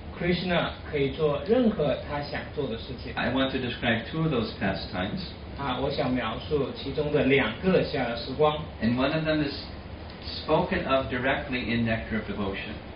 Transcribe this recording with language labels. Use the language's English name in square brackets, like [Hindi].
[Chinese] Krishna 可以做任何他想做的事情。 [English] I want to describe two of those pastimes. [Chinese] 我想描述其中的两个逍遥时光。 [English] And one of them is spoken of directly in Nectar of Devotion.